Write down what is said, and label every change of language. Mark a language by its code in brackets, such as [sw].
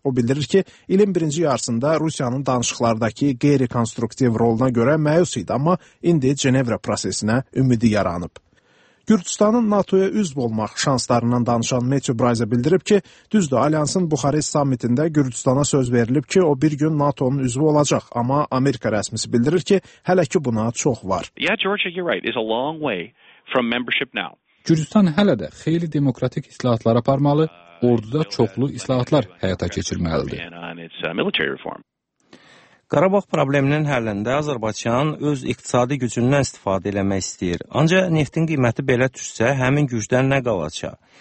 [az] O bildirir ki, ilin birinci yarısında Rusiyanın danışıqlardakı qeyri-konstruktiv roluna görə məyus idi, amma indi Cenevrə prosesinə ümidi yaranıb. Gürcüstanın NATO-ya üzv olmaq şanslarından danışan Matthew Braza bildirib ki, düzdür, Alyansın Buxarest sammitində Gürcüstana söz verilib ki, o bir gün NATO-nun üzvü olacaq, amma Amerika rəsmisi bildirir ki, hələ ki buna çox var. [en] Yeah, Georgia, you're right. It's a long way from membership now. [az] Gürcüstan hələ də xeyli demokratik islahatlar aparmalı, orduda çoxlu islahatlar həyata keçirməlidir. Qarabağ probleminin həllində Azərbaycan öz iqtisadi gücündən istifadə eləmək istəyir. Ancaq neftin qiyməti belə düşsə, həmin gücdən nə qalacaq?